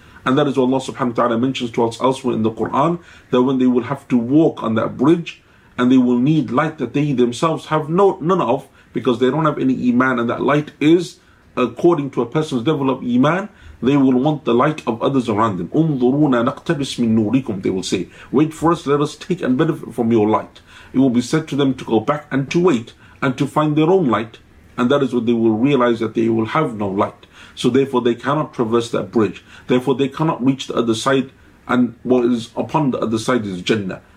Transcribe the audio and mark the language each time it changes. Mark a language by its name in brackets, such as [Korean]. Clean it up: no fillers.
[English] And that is what Allah subhanahu wa ta'ala mentions to us elsewhere in the Quran, that when they will have to walk on that bridge, and they will need light that they themselves have none of, because they don't have any iman, and that light is, according to a person's level of iman, they will want the light of others around them. [Arabic] انظرونا نقتبس من نوركم, [English] they will say. Wait for us, let us take and benefit from your light. It will be said to them to go back and to wait, and to find their own light. And that is when they will realize that they will have no light. So therefore they cannot traverse that bridge. Therefore they cannot reach the other side, and what is upon the other side is Jannah.